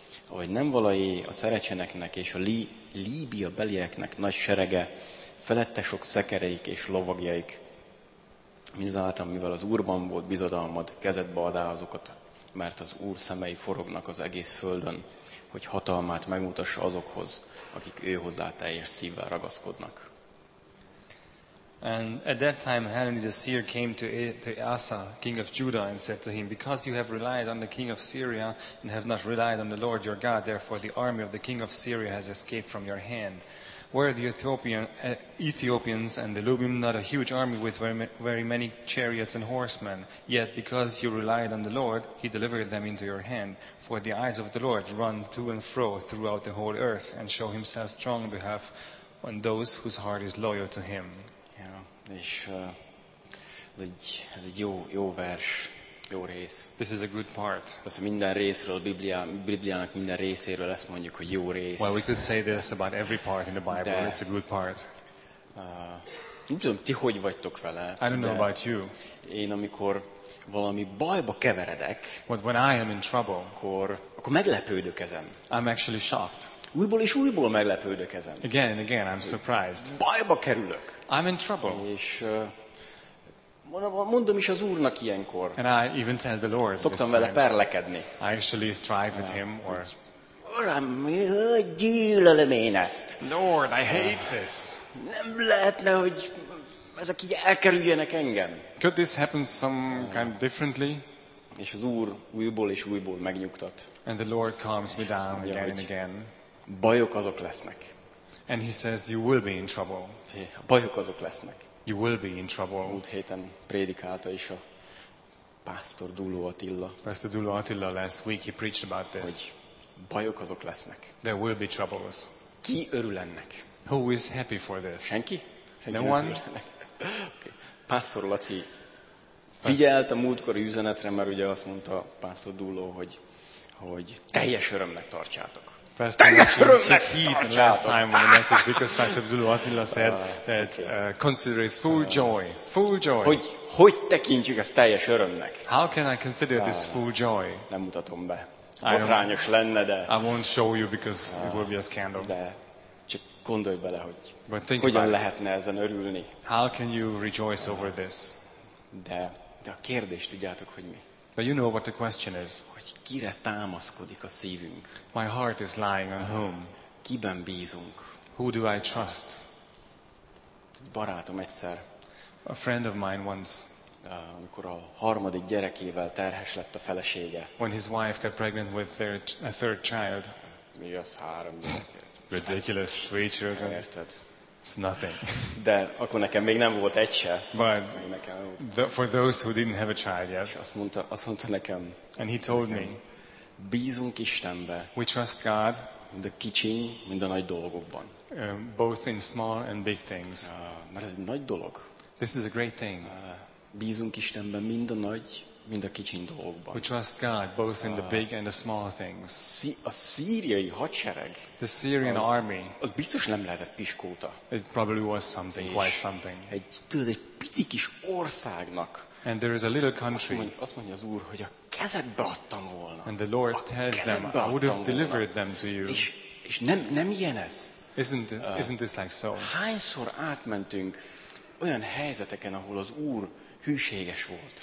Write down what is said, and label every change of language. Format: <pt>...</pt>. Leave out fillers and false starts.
<hu>Ahogy nem valai a szerecseneknek és a líbiabelieknek nagy serege, felette sok szekereik és lovagjaik. Mindazáltal, mivel az Úrban volt bizodalmad, kezedbe adá azokat, mert az Úr szemei forognak az egész földön, hogy hatalmát megmutassa azokhoz, akik őhozzá teljes szívvel ragaszkodnak.</hu> <en>And at that time Hanani the seer came to Asa, king of Judah, and said to him, because you have relied on the king of Syria and have not relied on the Lord your God, therefore the army of the king of Syria has escaped from your hand. Where are the Ethiopians and the Lubim, not a huge army with very many chariots and horsemen? Yet because you relied on the Lord, he delivered them into your hand. For the eyes of the Lord run to and fro throughout the whole earth and show himself strong on behalf of those whose heart is loyal to him.</en> <hu>És ez egy jó vers, jó rész.</hu> <en>This is a good part.</en> <hu>Persze minden részről, Bibliának minden részéről ezt mondjuk, hogy jó rész.</hu> <en>Well, we could say this about every part in the Bible,</en> <hu>de,</hu> <en>it's a good part.</en> <hu>Nem tudom, ti hogy vagytok vele.</hu> <en>I don't know about you.</en> <hu>Én amikor valami bajba keveredek,</hu> <en>but when I am in trouble,</en> <hu>akkor meglepődök ezen.</hu> <en>I'm actually shocked.</en> <hu>Újból és újból meglepődök ezen.</hu> <en>Again and again, I'm surprised.</en> <hu>Bajba kerülök.</hu> <en>I'm in trouble.</en> <hu>És mondom is az Úrnak ilyenkor.</hu> <en>And I even tell the Lord.</en> <hu>Szoktam vele perlekedni.</hu> <en>I actually strive with him. Or,</en> <hu>Uram, gyűlölöm én ezt.</hu> <en>Lord, I hate this.</en> <hu>Nem lehetne, hogy ezek így elkerüljenek engem.</hu> <en>Could this happen some kind of differently?</en> <hu>És az Úr újból és újból megnyugtat.</hu> <en>And the Lord calms me down again and again.</en> <hu>Bajok azok lesznek.</hu> <en>And he says you will be in trouble.</en> <hu>Bajok azok lesznek.</hu> <en>You will be in trouble.</en> <hu>Múlt héten prédikálta is a pásztor Dulo Attila.</hu> <en>Pastor Dulo Attila last week he preached about this.</en> <hu>Hogy bajok azok lesznek.</hu> <en>There will be troubles.</en> <hu>Ki örül ennek?</hu> <en>Who is happy for this?</en> <hu>Senki?</hu> <en>No one? Okay.</en> <hu>Pastor Laci figyelt a múltkori üzenetre, mert ugye azt mondta pásztor Dulo, hogy teljes örömnek tartsátok.</hu> <en>Pastor took heed the last time on the message because Pastor Abdullah Azilla said that consider it full joy.</en> <hu>Hogy tekintjük ezt teljes örömnek?</hu> <en>How can I consider this full joy?</en> <hu>Nem mutatom be. Botrányos lenne, de.</hu> <en>I won't show you because it will be a scandal.</en> <hu>De csak gondolj bele, hogy hogyan lehetne ezen örülni.</hu> <en>How can you rejoice over this?</en> <hu>De a kérdést tudjátok, hogy mi?</hu> <en>But you know what the question is.</en> <hu>Hogy kire támaszkodik a szívünk?</hu> <en>My heart is lying on whom?</en> <hu>Kiben bízunk?</hu> <en>Who do I trust?</en> <hu>Egy barátom egyszer.</hu> <en>A friend of mine once.</en> <hu>Amikor a harmadik gyerekével terhes lett a felesége.</hu> <en>When his wife got pregnant with their a third child.</en> <hu>Mi az három gyereket?</hu> <en>Ridiculous, three children.</en> <hu>Érted?</hu> <en>It's nothing.</en> <hu>De akkor nekem még nem volt egy se.</hu> <en>But for those who didn't have a child yet.</en> <hu>Azt mondta nekem.</hu> <en>And he told me.</en> <hu>Bízunk Istenbe.</hu> <en>We trust God.</en> <hu>Mind a kicsi, mind a nagy dolgokban.</hu> <en>Both in small and big things.</en> <hu>Mert ez egy nagy dolog.</hu> <en>This is a great thing.</en> <hu>Bízunk Istenbe mind a nagy, mind a kicsi dolgokban.</hu> <en>We trust God both in the big and the small things.</en> <hu>A szíriai hadsereg.</hu> <en>The Syrian army.</en> <hu>Az biztos nem lehetett piskóta.</hu> <en>It probably was something, quite something.</en> <hu>Egy picikis országnak.</hu> <en>And there is a little country.</en> <hu>Azt mondja az Úr, hogy a kezedbe adtam volna.</hu> <en>And the Lord tells them, I would have delivered them to you.</en> <hu>És nem ilyen ez.</hu> <en>Isn't this like so?</en> <hu>Hányszor átmentünk olyan helyzeteken, ahol az Úr hűséges volt.</hu>